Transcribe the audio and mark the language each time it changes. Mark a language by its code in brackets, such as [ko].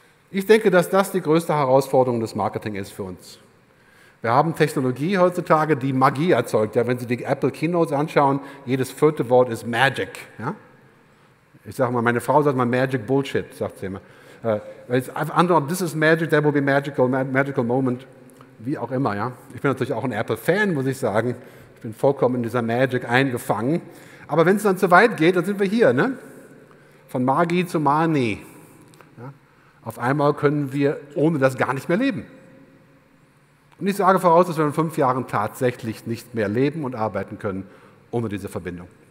[de] Ich denke, dass das die größte Herausforderung des Marketing ist für uns. Wir haben Technologie heutzutage, die Magie erzeugt. Ja, wenn Sie die Apple Keynotes anschauen, jedes vierte Wort ist Magic. Ja? Ich sage mal, meine Frau sagt mal Magic Bullshit, sagt sie immer. [en] This is magic, there will be magical moment. [de] Wie auch immer, ja. Ich bin natürlich auch ein Apple-Fan, muss ich sagen. Ich bin vollkommen in dieser Magic eingefangen. Aber wenn es dann zu weit geht, dann sind wir hier, ne? Von Magi zu Mani. Ja? Auf einmal können wir ohne das gar nicht mehr leben. Und ich sage voraus, dass wir in 5 Jahren tatsächlich nicht mehr leben und arbeiten können ohne diese Verbindung.